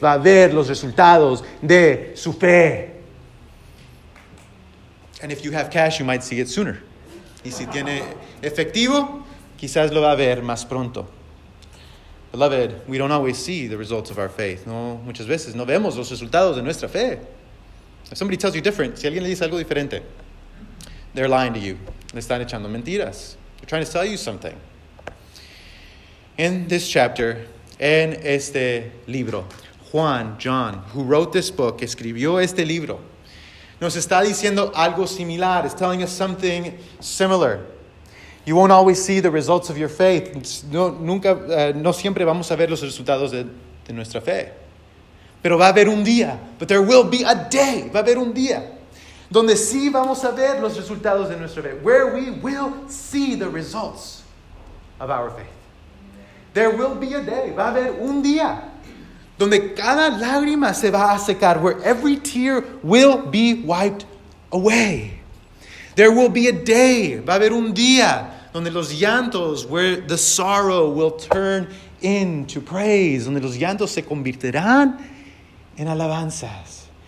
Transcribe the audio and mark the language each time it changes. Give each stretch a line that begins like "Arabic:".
Spanish: Va a ver los resultados de su fe.
English: And if you have cash, you might see it sooner.
Spanish: Y si tiene efectivo, quizás lo va a ver más pronto.
English: Beloved, we don't always see the results of our faith.
Spanish: No, muchas veces no vemos los resultados de nuestra fe.
English: If somebody tells you different,
Spanish: si alguien le dice algo diferente,
English: they're lying to you.
Spanish: Le están echando mentiras.
English: They're trying to sell you something. In this chapter,
Spanish: en este libro,
English: John, who wrote this book,
Spanish: escribió este libro, nos está diciendo algo similar.
English: It's telling us something similar. You won't always see the results of your faith.
Spanish: No siempre vamos a ver los resultados de nuestra fe. Pero va a haber un día.
English: But there will be a day.
Spanish: Va a haber un día. Donde sí vamos a ver los resultados de nuestra fe.
English: Where we will see the results of our faith. There will be a day.
Spanish: Va a haber un día. Donde cada lágrima se va a secar.
English: Where every tear will be wiped away. There will be a day,
Spanish: va a haber un día, donde los llantos,
English: where the sorrow will turn into praise,
Spanish: donde los llantos se convertirán en alabanzas.